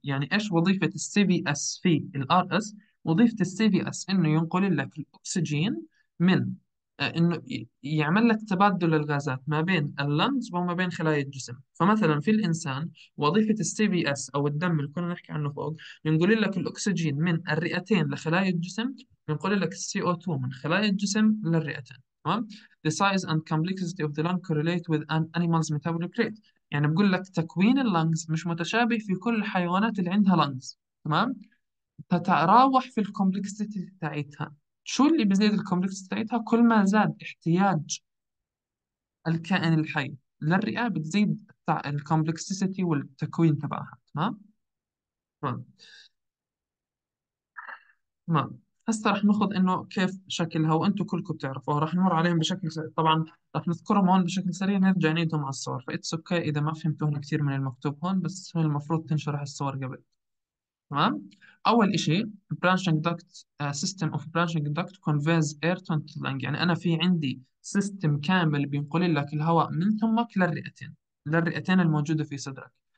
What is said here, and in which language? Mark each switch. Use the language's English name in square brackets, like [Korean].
[Arabic] يعني ايش وظيفه السي في اس في الار اس؟ وظيفه السي في اس انه ينقل لك الاكسجين من انه يعمل لك تبادل الغازات ما بين اللنجز وما بين خلايا الجسم. فمثلا في الانسان وظيفه السي في اس او الدم اللي كنا نحكي عنه فوق، ينقل لك الاكسجين من الرئتين لخلايا الجسم، ينقل لك السي او 2 من خلايا الجسم للرئتين. [English] تمام، the size and complexity of the lung correlate with an animal's metabolic rate. [Arabic] يعني بقول لك تكوين اللنجز مش متشابه في كل الحيوانات اللي عندها لنجز. تمام، تتراوح في الكومبلكسيتي بتاعتها. شو اللي بزيد الكومبلكسيتي بتاعتها؟ كل ما زاد احتياج الكائن الحي للرئة بتزيد الكومبلكسيتي والتكوين تبعها. تمام، تمام. هسه رح ناخذ انه كيف شكلها، وانتم كلكم بتعرفوها، رح نمر عليهم بشكل سريع. طبعا رح نذكرهم هون بشكل سريع، نرجع نعيدهم على الصور، [English] فاتس اوكي [Arabic] اذا ما فهمتوهم كثير من المكتوب هون، بس هو المفروض تنشرح الصور قبل. تمام، اول شيء [English] branching duct system of branching duct conveys air to the lung. [Arabic] يعني انا في عندي سيستم كامل بينقل لك الهواء من ثمك للرئتين، للرئتين الموجوده في صدرك.